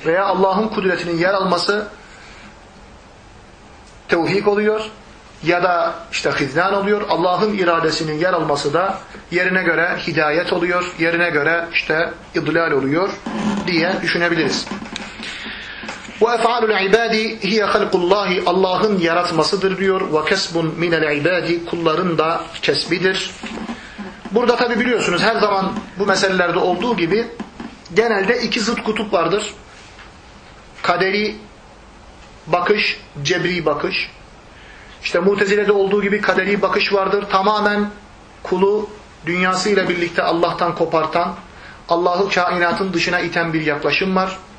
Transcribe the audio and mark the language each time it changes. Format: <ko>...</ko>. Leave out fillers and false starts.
<tr>Veya Allah'ın kudretinin yer alması tevhik oluyor ya da işte hizlan oluyor. Allah'ın iradesinin yer alması da yerine göre hidayet oluyor, yerine göre işte idlal oluyor diye düşünebiliriz.</tr> <ar>وَاَفْعَالُ الْعِبَادِ هِيَ خَلْقُ اللّٰهِ</ar> <tr>Allah'ın yaratmasıdır diyor.</tr> <ar>وَكَسْبٌ مِنَ الْعِبَادِ</ar> <tr>Kulların da kesbidir. Burada tabi biliyorsunuz her zaman bu meselelerde olduğu gibi genelde iki zıt kutup vardır. Kaderi bakış, cebri bakış. İşte Mutezile'de olduğu gibi kaderi bakış vardır. Tamamen kulu dünyasıyla birlikte Allah'tan kopartan, Allah'ı kainatın dışına iten bir yaklaşım var.</tr>